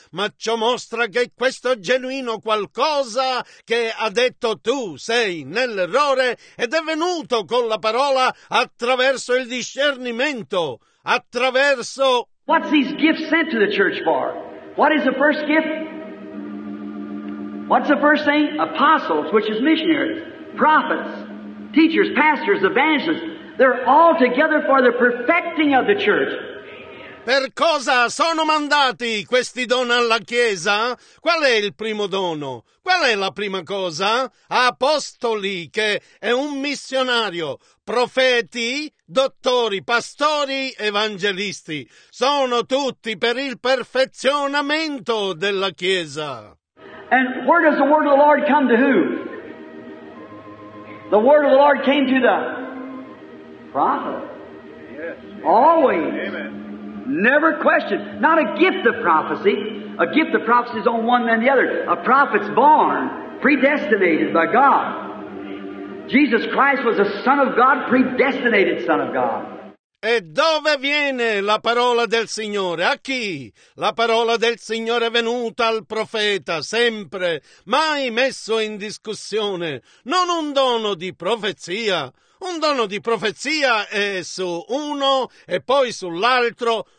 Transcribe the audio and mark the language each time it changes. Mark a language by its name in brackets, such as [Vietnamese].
[Italian] Ma ciò mostra che questo genuino qualcosa che ha detto tu sei nell'errore ed è venuto con la parola attraverso il discernimento, attraverso... [English] What's these gifts sent to the church for? What is the first gift? What's the first thing? Apostles, which is missionaries, prophets, teachers, pastors, evangelists. They're all together for the perfecting of the church. [Italian] Per cosa sono mandati questi doni alla Chiesa? Qual è il primo dono? Qual è la prima cosa? Apostoli, che è un missionario, profeti, dottori, pastori, evangelisti. Sono tutti per il perfezionamento della Chiesa. [English] And where does the word of the Lord come to who? The word of the Lord came to the prophet. Always. Never question. Not a gift of prophecy. A gift of prophecy is on one than the other. A prophet's born, predestinated by God. Jesus Christ was a son of God, predestinated son of God. [Italian] E dove viene la parola del Signore? A chi? La parola del Signore è venuta al profeta, sempre, mai messo in discussione. Non un dono di profezia. Un dono di profezia è su uno e poi sull'altro.